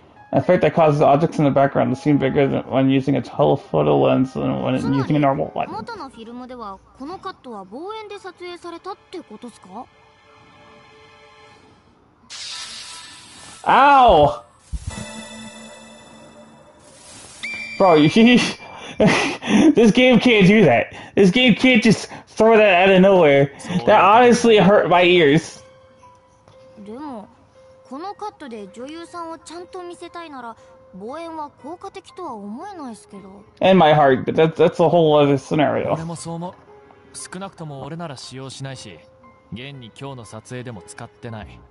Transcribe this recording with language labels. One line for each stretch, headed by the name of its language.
English: An effect that causes objects in the background to seem bigger than when using a telephoto lens than when using a normal one.
Japanese: 元のフィルムではこのカットは望遠で撮影されたってことすか？
English: Ow! Bro, this game can't do that. This game can't just throw that out of nowhere. That honestly hurt my ears.
Japanese: でも、このカットで女優さんをちゃんと見せたいなら、望遠は効果的とは思えないですけど。
English: And my heart, but that's a whole other scenario.
Japanese: 俺もそう思う。少なくとも俺なら使用しないし、現に今日の撮影でも使ってない。